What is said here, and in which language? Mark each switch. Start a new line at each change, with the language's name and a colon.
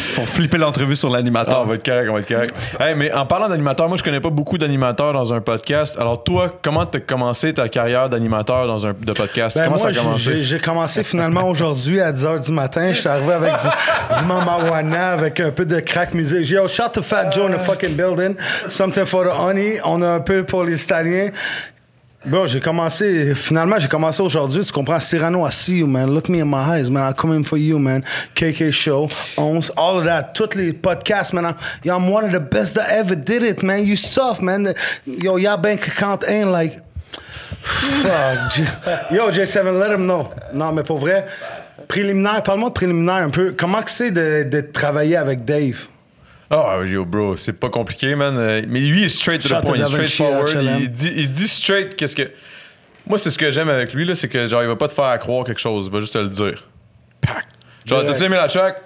French: Faut flipper l'entrevue sur l'animateur. Oh, on va être correct, on va être correct. Hey, mais en parlant d'animateur, moi, je connais pas beaucoup d'animateurs dans un podcast. Alors, toi, comment t'as commencé ta carrière d'animateur dans un de podcast? Ben, comment moi, ça a commencé? J'ai commencé finalement aujourd'hui à 10h du matin. Je suis arrivé avec du Mama Wana, avec un peu de crack music.
English: Yo, shout to Fat Joe in the fucking building. Something for the honey.
French: On a un peu pour les Italiens. Bro, j'ai commencé. Finalement, j'ai commencé aujourd'hui. Tu comprends?
English: Cyrano, I see you, man. Look me in my eyes, man. I'm coming for you, man. KK Show, 11, all of that.
French: Tous les podcasts,
English: man. Yo, I'm one of the best that ever did it, man. You soft, man. Yo, your bank account ain't like.
French: Fuck. Yo, J7,
English: let him know.
French: Non, mais pour vrai. Préliminaire, parle-moi de préliminaire un peu. Comment que c'est de travailler avec Dave? Oh, yo, bro, c'est pas compliqué, man. Mais lui, il est
English: straight to the point.
French: Il est
English: straight forward.
French: Il dit straight qu'est-ce que... Moi, c'est ce que j'aime avec lui, là, c'est que, genre, il va pas te faire croire quelque chose. Il va juste te le dire. Pac! Genre, t'as-tu aimé la track?